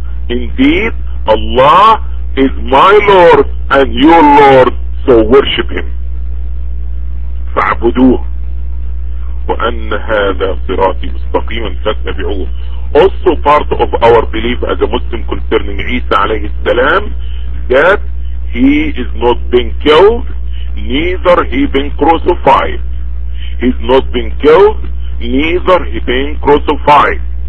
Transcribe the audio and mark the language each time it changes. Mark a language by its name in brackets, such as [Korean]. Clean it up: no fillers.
[English] Indeed Allah is my Lord and your Lord, so worship him. [Arabic] فاعبدوه وأن هذا صراط مستقيم فاتبعوه. [English] Also part of our belief as a Muslim concerning Isa alayhi salam, that he is not being killed, neither he been crucified. He's not been killed, neither he been crucified.